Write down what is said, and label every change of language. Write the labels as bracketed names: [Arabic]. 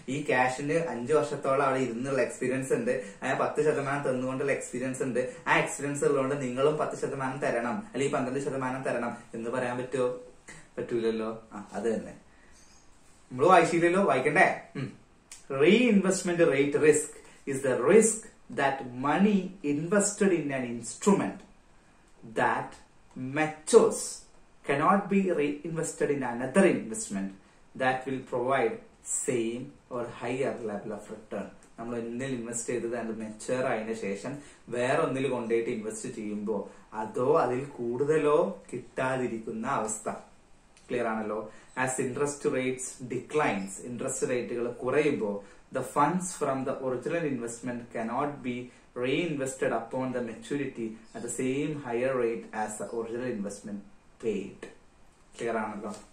[Malayalam] ഈ ക്യാഷിന് 5 വർഷത്തോളം അവിടെ ഇരുന്നുള്ള എക്സ്പീരിയൻസ് ഉണ്ട്. ആ 10% തന്നുകൊണ്ടുള്ള എക്സ്പീരിയൻസ് ഉണ്ട്. ആ എക്സ്പീരിയൻസ് ഉള്ളതുകൊണ്ട് നിങ്ങളും 10% തരണം, അല്ലെങ്കിൽ 12% തരണം എന്ന് പറയാൻ പറ്റുമോ? പറ്റൂലല്ലോ. ആ, അത് തന്നെ നമ്മള് വായിച്ചില്ലല്ലോ, വായിക്കണ്ടേ. [English] Reinvestment rate risk is the risk that money invested in an instrument that matures cannot be reinvested in another investment that will provide same or higher level of return. [Malayalam] നമ്മൾ ഒന്നിൽ ഇൻവെസ്റ്റ് ചെയ്തത് അത് മെച്ചുവർ ആയതിനു ശേഷം വേറെ ഒന്നിൽ കൊണ്ടുപോയിട്ട് invest ചെയ്യുമ്പോൾ അതോ അതിൽ കൂടുതലോ കിട്ടാതിരിക്കുന്ന അവസ്ഥ. ക്ലിയർ ആണല്ലോ. [English] as interest rates declines, [Malayalam] interest റേറ്റുകൾ കുറയുമ്പോൾ [English] The funds from the original investment cannot be reinvested upon the maturity at the same higher rate as the original investment paid. Clear ആണല്ലോ.